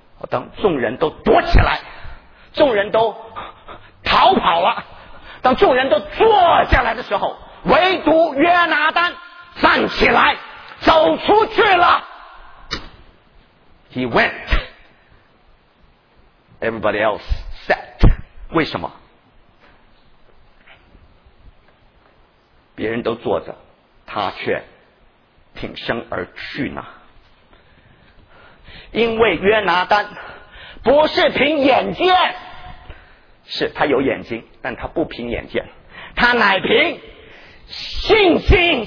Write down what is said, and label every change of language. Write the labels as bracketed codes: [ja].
[zh] 当众人都躲起来，众人都逃跑了，当众人都坐下来的时候，唯独约拿单站起来走出去了。 [en] He went, everybody else sat. [zh] 为什么？别人都坐着，他却挺身而去呢？因为约拿单不是凭眼见，是他有眼睛，但他不凭眼见，他乃凭信心。